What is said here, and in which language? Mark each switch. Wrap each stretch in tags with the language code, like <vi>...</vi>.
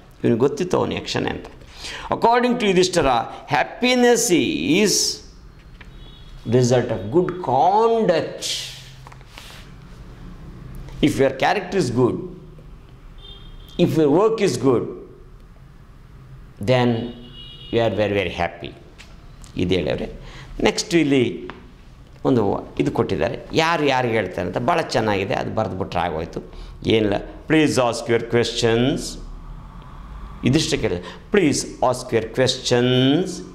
<kn>ಇವನು ಗೊತ್ತಿತ್ತು ಅವನು ಯಕ್ಷನೇ ಅಂತ.</kn> <en>According to Yudhishthira happiness is result of good conduct. If your character is good, if your work is good, then we are very very happy.</en> <kn>ಇದು ಹೇಳವ್ರೆ. Next ಇಲ್ಲಿ ಒಂದು ಇದು ಕೊಟ್ಟಿದ್ದಾರೆ, ಯಾರು ಯಾರಿಗೆ ಹೇಳ್ತಾರೆ ಅಂತ, ಭಾಳ ಚೆನ್ನಾಗಿದೆ, ಅದು ಬರೆದ್ಬಿಟ್ರೆ ಆಗೋಯ್ತು.</kn> <en>ಏನಿಲ್ಲ, please ask your questions.</en> <kn>ಇದಿಷ್ಟು ಕೇಳಿದೆ,</kn> <en>Please ask your questions.</en>